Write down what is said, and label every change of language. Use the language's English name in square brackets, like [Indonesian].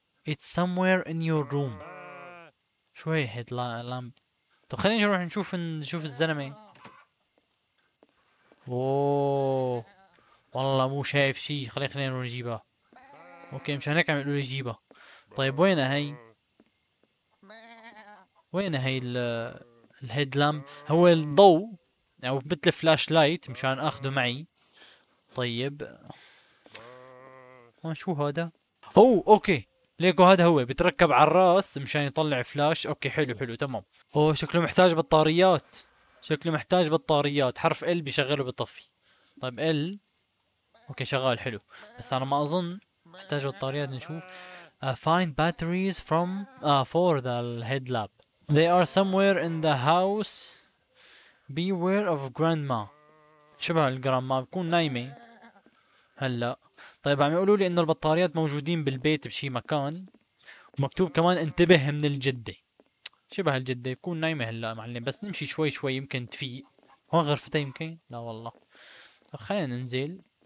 [English] It's somewhere in your room. [Arabic] شو هي headlamp؟ طب خلينا نروح نشوف الزلمة. اوه والله مو شايف شيء. خلينا نروح نجيبها. اوكي مشان هيك عم يقولوا لي جيبها. طيب وين هي؟ وين هي الهيد لامب؟ هو الضوء او مثل فلاش لايت مشان اخده معي. طيب هون شو هذا؟ اوه اوكي ليكو هذا هو بيتركب على الراس مشان يطلع فلاش. اوكي حلو حلو تمام. اوه شكله محتاج بطاريات، شكله محتاج بطاريات. حرف ال بيشغله بيطفي. طيب ال اوكي شغال حلو، بس انا ما اظن محتاج بطاريات. نشوف [English] find batteries from for the head lab. They are somewhere in the house. Beware of grandma. [Arabic] شبه الجراندما بكون نايمة هلا. طيب عم يقولوا لي انه البطاريات موجودين بالبيت بشي مكان، ومكتوب كمان انتبه من الجدة. شبه الجدة بكون نايمة هلا معلم، بس نمشي شوي شوي يمكن تفيق. هون غرفتها يمكن؟ لا والله. طيب خلينا ننزل.